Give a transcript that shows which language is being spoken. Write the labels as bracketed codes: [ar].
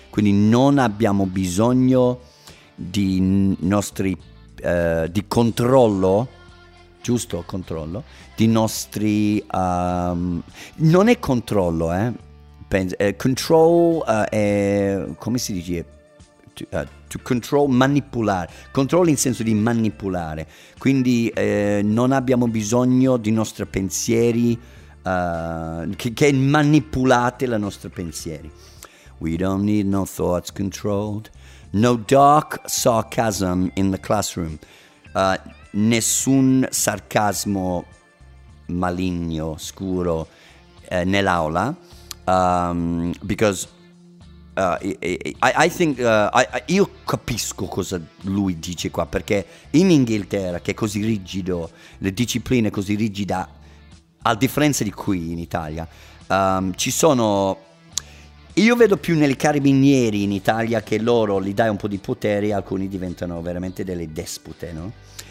[it] quindi non abbiamo bisogno di nostri di controllo, giusto, controllo di nostri non è controllo, control è come si dice, [en] to control, [it] manipulare, control in senso di manipolare, quindi non abbiamo bisogno di nostri pensieri che manipolate la nostra pensieri. [en] We don't need no thoughts controlled, no dark sarcasm in the classroom. [it] Nessun sarcasmo maligno, scuro nell'aula, because io capisco cosa lui dice qua, perché in Inghilterra, che è così rigido, le discipline così rigide, a differenza di qui in Italia, ci sono, io vedo più nei carabinieri in Italia che loro gli dai un po' di potere, alcuni diventano veramente delle dispute, no?